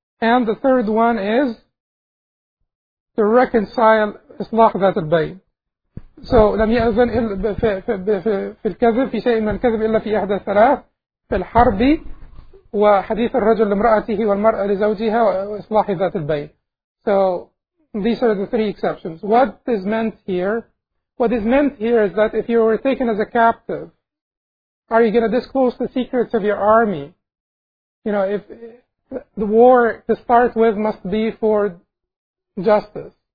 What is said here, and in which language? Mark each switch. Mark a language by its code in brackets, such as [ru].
[en] And the third one is to reconcile [ar] إصلاح ذات البين. So لم يأذن في الكذب في شيء من الكذب إلا في إحدى ثلاث في الحرب وحديث الرجل لامرأته والمرأة لزوجها وإصلاح ذات البين. [en] So these are the three exceptions. What is meant here? What is meant here is that if you were taken as a captive, are you going to disclose the secrets of your army? You know, if the war to start with must be for justice.